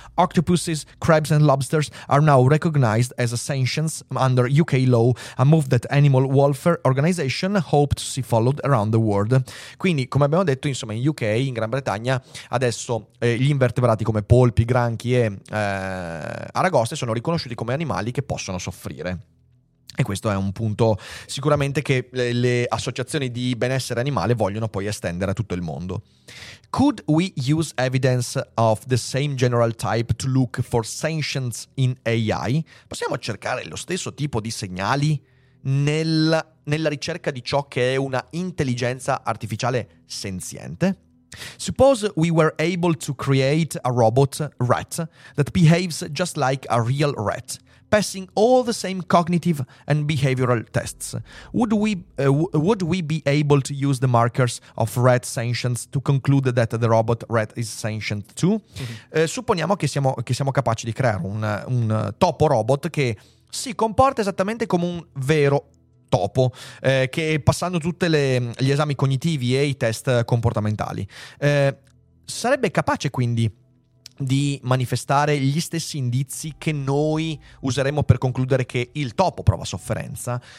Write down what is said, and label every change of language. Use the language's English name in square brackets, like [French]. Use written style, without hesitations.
[English] Octopuses, crabs and lobsters are now recognized as sentient under UK law, a move that animal welfare organization hoped to see followed around the world. [Italian] Quindi, come abbiamo detto, insomma, in UK, in Gran Bretagna, adesso gli invertebrati come polpi, granchi e aragoste sono riconosciuti come animali che possono soffrire. E questo è un punto sicuramente che le associazioni di benessere animale vogliono poi estendere a tutto il mondo. [English] Could we use evidence of the same general type to look for sentience in AI? [Italian] Possiamo cercare lo stesso tipo di segnali nella ricerca di ciò che è una intelligenza artificiale senziente? [English] Suppose we were able to create a robot rat that behaves just like a real rat, passing all the same cognitive and behavioral tests. Would we be able to use the markers of rat sentience to conclude that the robot rat is sentient too? Mm-hmm. [Italian] Supponiamo che siamo capaci di creare un topo robot che si comporta esattamente come un vero topo, che passando tutte gli esami cognitivi e i test comportamentali. Sarebbe capace quindi di manifestare gli stessi indizi che noi useremo per concludere che il topo prova sofferenza?